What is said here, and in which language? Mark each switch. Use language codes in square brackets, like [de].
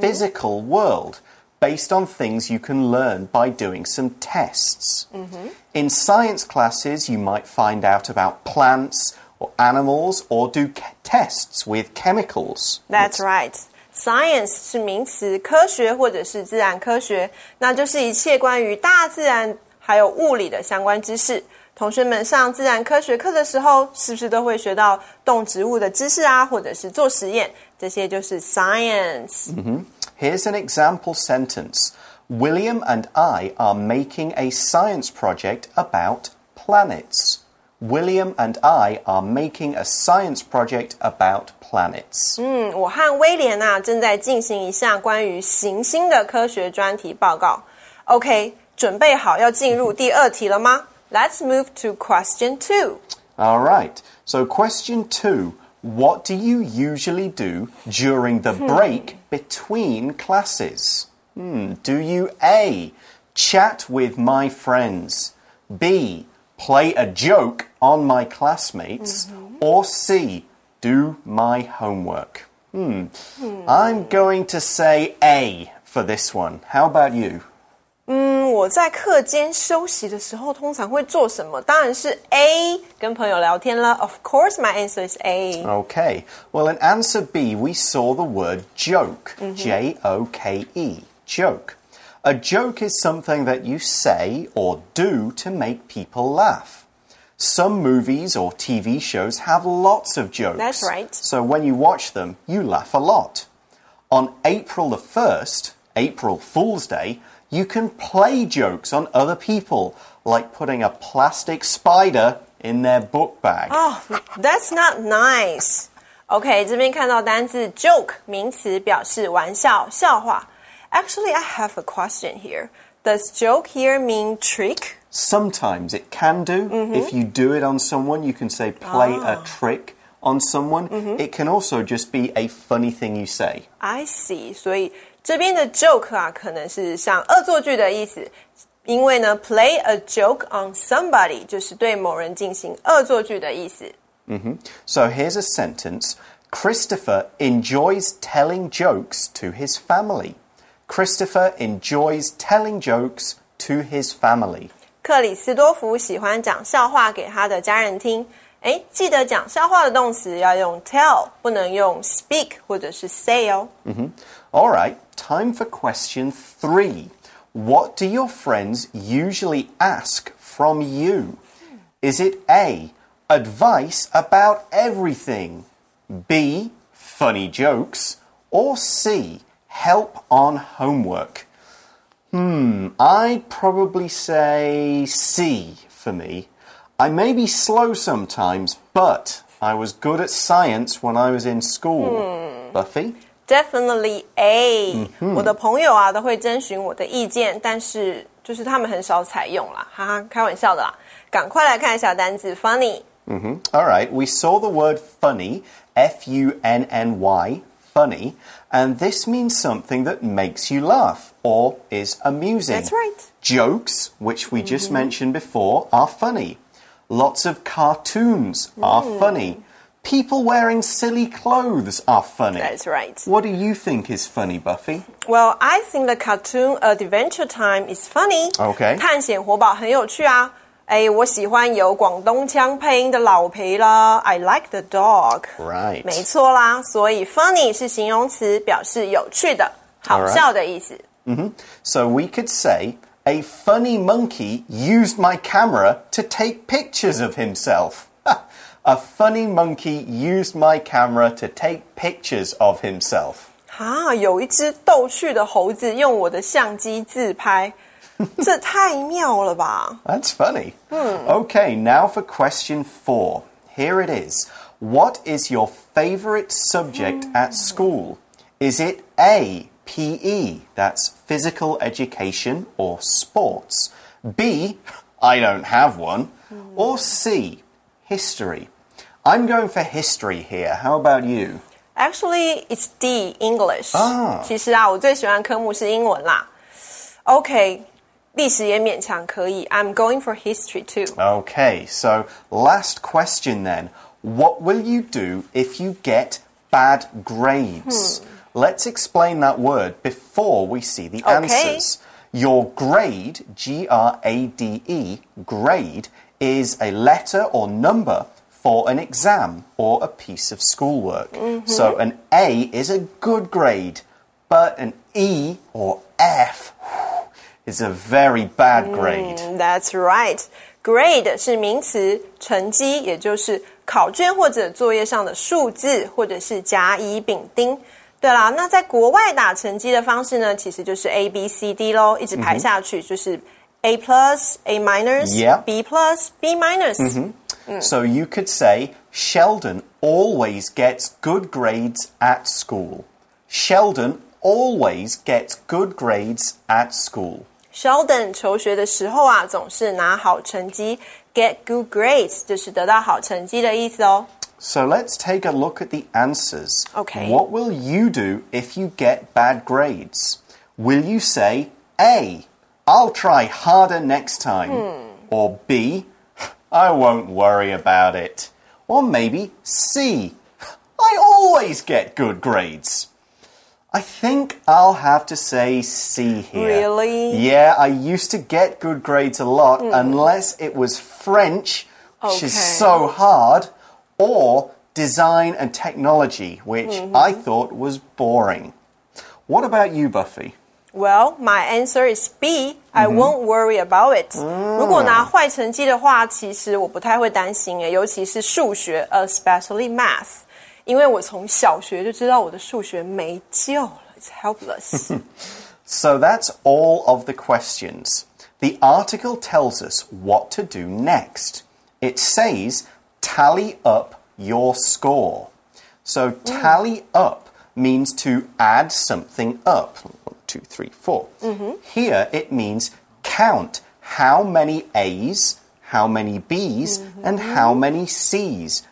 [en] physical world based on things you can learn by doing some tests.、 Mm-hmm. In science classes, you might find out about plants,or animals, or do tests with chemicals. That's right. [zh] Science 是名词，科学或者是自然科学，那就是一切关于大自然还有物理的相关知识。同学们上自然科学课的时候，是不是都会学到动植物的知识啊，或者是做实验，这些就是 science.、 [en] Mm-hmm. Here's an example sentence. William and I are making a science project about planets. William and I are making a science project about planets. [zh] 嗯，我和威廉啊正在进行一项关于行星的科学专题报告。 OK, 准备好要进入第二题了吗？ [en] Let's move to question two. All right. So question two, what do you usually do during the break between classes? Do you A, chat with my friends? B,play a joke on my classmates,、mm-hmm. or C, do my homework. I'm going to say A for this one. How about you? [zh] 我在课间休息的时候通常会做什么？当然是 A, 跟朋友聊天了。 [en] Of course, my answer is A. Okay. Well, in answer B, we saw the word joke,、mm-hmm. J-O-K-E, joke. A joke is something that you say or do to make people laugh. Some movies or TV shows have lots of jokes. That's right. So when you watch them, you laugh a lot. On April the 1st, April Fool's Day, you can play jokes on other people, like putting a plastic spider in their book bag. Oh, that's not nice. [zh] Okay, 这边看到单字 joke, 名词表示玩笑、笑话。 [en] Actually, I have a question here. Does joke here mean trick? Sometimes it can do.、 Mm-hmm. If you do it on someone, you can say play、a trick on someone.、 Mm-hmm. It can also just be a funny thing you say. I see. [zh] 所以这边的 joke 啊，可能是像恶作剧的意思。因为呢 [en] play a joke on somebody [zh] 就是对某人进行恶作剧的意思。 [en] Mm-hmm. So here's a sentence. Christopher enjoys telling jokes to his family. Christopher enjoys telling jokes to his family. [zh] 克里斯多福喜欢讲笑话给他的家人听。诶，记得讲笑话的动词要用 tell, 不能用 speak 或者是 say 哦。 [en] Mm-hmm. All right, time for question three. What do your friends usually ask from you? Is it A, advice about everything? B, funny jokes? Or C,help on homework. I'd probably say C for me. I may be slow sometimes, but I was good at science when I was in school. Buffy? Definitely A.、 Mm-hmm. [zh] 我的朋友啊都会征询我的意见，但是就是他们很少采用啦。哈哈，开玩笑的啦。赶快来看一下单字 funny.、 [en] Mm-hmm. All right, we saw the word funny, F-U-N-N-Y,funny, and this means something that makes you laugh or is amusing. That's right. Jokes, which we just、mm-hmm. mentioned before, are funny. Lots of cartoons are、mm. funny. People wearing silly clothes are funny. That's right. What do you think is funny, Buffy? Well, I think the cartoon Adventure Time is funny. Okay. [zh] 探险活宝很有趣啊。哎，我喜欢有广东腔配音的老皮了。 [en] I like the dog. Right. [zh] 没错啦，所以 funny 是形容词，表示有趣的、好笑的意思。 [en] Right. Mm-hmm. So we could say, a funny monkey used my camera to take pictures of himself. A funny monkey used my camera to take pictures of himself. [zh] 啊，有一只逗趣的猴子用我的相机自拍。这太妙了吧。 [en] That's funny. Okay, now for question four. Here it is. What is your favorite subject at school? Is it A, PE, that's physical education or sports? B, I don't have one. Or C, history? I'm going for history here. How about you? Actually, it's D, English. [zh] 其实啊，我最喜欢科目是英文啦。Okay. 历史也勉强可以。 [en] I'm going for history too. Okay, so last question then. What will you do if you get bad grades? Let's explain that word before we see the answers. Your grade, G-R-A-D-E, grade, is a letter or number for an exam or a piece of schoolwork. So an A is a good grade, but an E or F... is a very bad grade. That's right. [zh] Grade 是名词，成绩也就是考卷或者作业上的数字，或者是甲乙丙丁。对啦，那在国外打成绩的方式呢，其实就是 A B C D 咯，一直排下去就是 [en] A plus, A minus, B plus, B minus. So you could say Sheldon always gets good grades at school. Sheldon. Always gets good grades at school. [zh] Sheldon 求学的时候啊，总是拿好成绩。 [en] Get good grades [zh] 就是得到好成绩的意思哦。 [en] So let's take a look at the answers. Okay. What will you do if you get bad grades? Will you say A, I'll try harder next time? Or B, I won't worry about it? Or maybe C, I always get good grades? I think I'll have to say C here. Really? Yeah, I used to get good grades a lot, unless it was French, which is so hard, or design and technology, which I thought was boring. What about you, Buffy? Well, my answer is B. I won't worry about it. [zh] 如果拿坏成绩的话，其实我不太会担心耶，尤其是数学， [en] especially math. [zh] 因为我从小学就知道我的数学没救了 [en] It's helpless. So that's all of the questions. The article tells us what to do next. It says, tally up your score. So tally up means to add something up. 1, 2, 3, 4. Here it means count how many A's, how many B's, and how many C's.